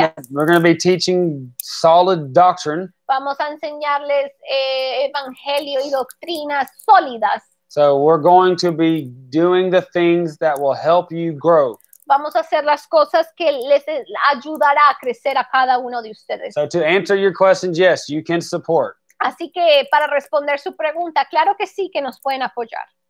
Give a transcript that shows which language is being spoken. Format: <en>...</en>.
<en>We're going to be teaching solid doctrine.</en> <es>Vamos a enseñarles evangelio y doctrinas sólidas.</es> <en>So we're going to be doing the things that will help you grow.</en> <es>Vamos a hacer las cosas que les ayudará a crecer a cada uno de ustedes.</es> <en>So to answer your questions, yes, you can support.</en> <es>Así que para responder su pregunta, claro que sí que nos pueden apoyar.</es>